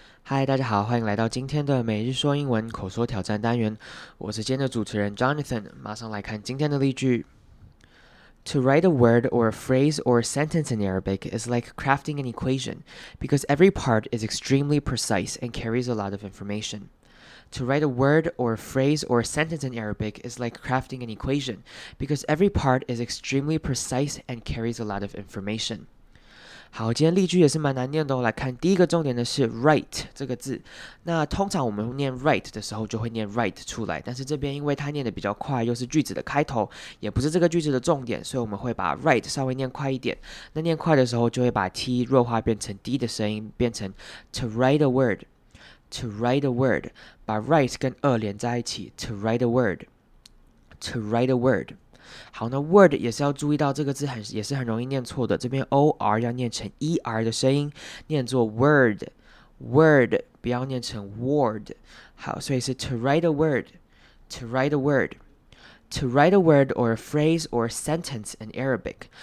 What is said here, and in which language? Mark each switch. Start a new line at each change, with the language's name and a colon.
Chinese: 嗨，大家好，欢迎来到今天的每日说英文口说挑战单元。我是今天的主持人 Jonathan，马上来看今天的例句。
English: To write a word or a phrase or a sentence in Arabic is like crafting an equation, because every part is extremely precise and carries a lot of information. To write a word or a phrase or a sentence in Arabic is like crafting an equation, because every part is extremely precise and carries a lot of information.
Chinese: 好，今天例句也是蛮难念的哦。来看第一个重点的是 write 这个字。那通常我们念 write 的时候就会念 write 出来，但是这边因为它念的比较快，又是句子的开头，也不是这个句子的重点，所以我们会把 write 稍微念快一点。那念快的时候就会把 t 弱化变成 d 的声音，变成
English: to write a word，
Chinese: to write a word， 把 write 跟二连在一起， to write a word， to write a word。好，那 word 也是要注意到这个字很也是很容易念错的，这边 or 要念成 er 的声音，念作 word， word 不要念成 word。好，所以是
English: to write a word， to write a word， to write a word or a phrase or a sentence in Arabic。